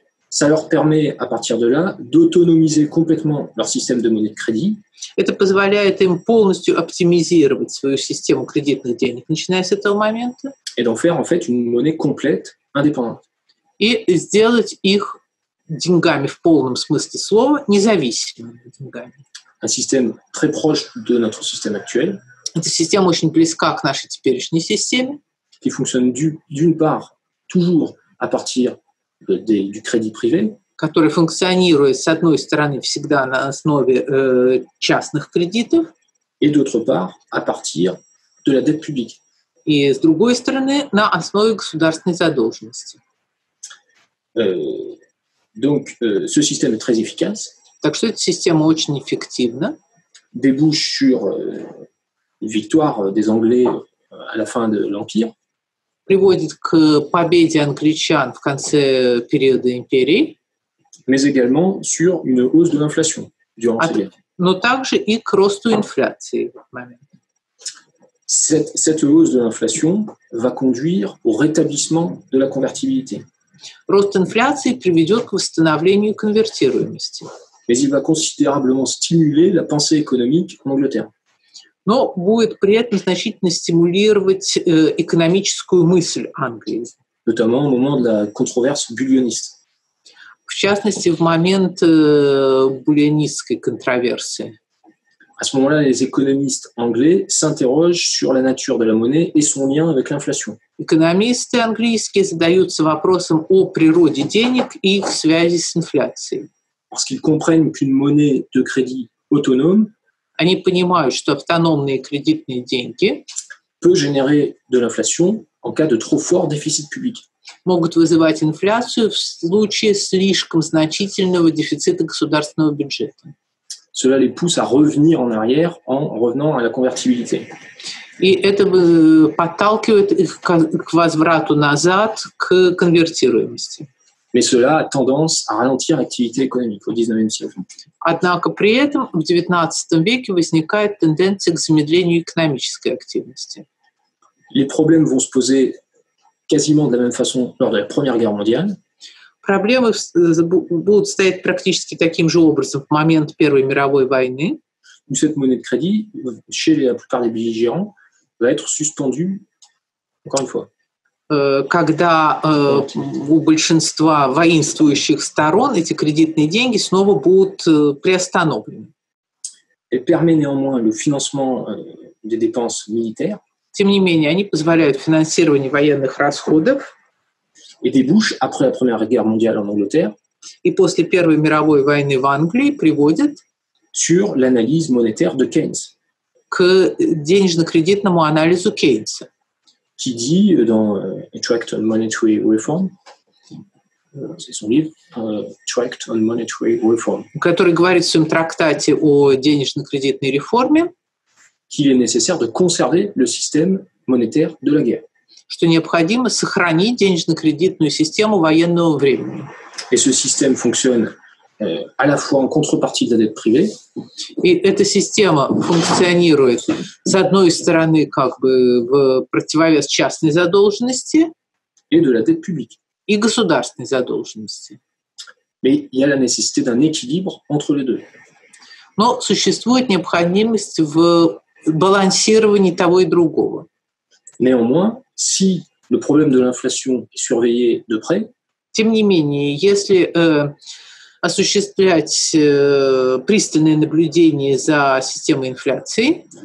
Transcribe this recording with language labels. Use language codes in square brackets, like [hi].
[fr] Ça leur permet, à partir de là, d'autonomiser complètement leur système de monnaie de crédit. [ru] Это позволяет им полностью оптимизировать свою систему кредитных денег, начиная с этого момента. [fr] Et d'en faire, en fait, une monnaie complète, indépendante. [ru] И сделать их деньгами в полном смысле слова, независимыми деньгами. [fr] Un système très proche de notre système actuel. [ru] Эта система очень близка к нашей теперешней системе. [fr] Qui fonctionne d'une part toujours à partir du crédit privé. [ru] Которая функционирует, с одной стороны, всегда на основе частных кредитов. [fr] Et d'autre part à partir de la dette publique. [ru] И, с другой стороны, на основе государственной задолженности. [fr] Donc, ce système est très efficace. [ru] Так что эта система очень эффективна. [fr] Débouche sur victoire des Anglais à la fin de l'Empire. [ru] Приводит к победе англичан в конце периода империи. [fr] mais également sur une hausse de l'inflation durant cette guerre. [ru] Но также и к росту инфляции. [fr] Cette hausse de l'inflation va conduire au rétablissement de la convertibilité. [ru] Рост инфляции приведет к восстановлению конвертируемости. [fr] Mais il va considérablement stimuler la pensée économique en Angleterre. [ru] Но будет при этом значительно стимулировать экономическую мысль Англии. [fr] Notamment au moment de la controverse bullioniste. [ru] В частности, в момент буллионистской контроверсии. [fr] À ce moment-là, les économistes anglais s'interrogent sur la nature de la monnaie et son lien avec l'inflation. [ru] Экономисты английские задаются вопросом о природе денег и их связи с инфляцией. [fr] Parce qu'ils comprennent qu'une monnaie de crédit autonome [ru] Они понимают, что автономные кредитные деньги [fr] peut générer de l'inflation en cas de trop fort déficit public. [ru] Могут вызывать инфляцию в случае слишком значительного дефицита государственного бюджета. [fr] Cela les pousse à revenir en arrière en revenant à la convertibilité. [ru] И это подталкивает их к возврату назад к конвертируемости. [fr] Mais cela a tendance à ralentir l'activité économique au 19e siècle. [ru] Однако при этом в 19 веке возникает тенденция к замедлению экономической активности. [fr] Les problèmes vont se poser quasiment de la même façon lors de la Première Guerre mondiale. [ru] Проблемы будут стоять практически таким же образом в момент Первой мировой войны. [fr] Cette monnaie de crédit, chez la plupart des belligérants, va être suspendue encore une fois. [ru] Когда у большинства воинствующих сторон эти кредитные деньги снова будут приостановлены. [fr] Elle permet néanmoins le financement des dépenses militaires. [ru] Тем не менее, они позволяют финансирование военных расходов. [fr] Et débouche après la Première Guerre mondiale en Angleterre. [ru] И после Первой мировой войны в Англии приводит [fr] sur l'analyse monétaire de Keynes. [ru] К денежно-кредитному анализу Кейнса. [fr] Qui dit dans Tract on Monetary Reform, c'est son livre, Tract on Monetary Reform. [ru] Который говорит в своем трактате о денежно-кредитной реформе. [fr] Qu'il est nécessaire de conserver le système monétaire de la guerre. [ru] Что необходимо сохранить денежно-кредитную систему военного времени. [fr] Et ce système fonctionne à la fois en contrepartie de la dette privée. [ru] И эта система функционирует с одной стороны как бы в противовес частной задолженности [fr] et de la dette publique. [ru] И государственной задолженности. [fr] Mais il y a la nécessité d'un équilibre entre les deux. [ru] Но существует необходимость в балансировании того и другого. [fr] Néanmoins, si le problème de l'inflation est surveillé de près, [ru] тем не менее, если осуществлять пристальное наблюдение за системой инфляции,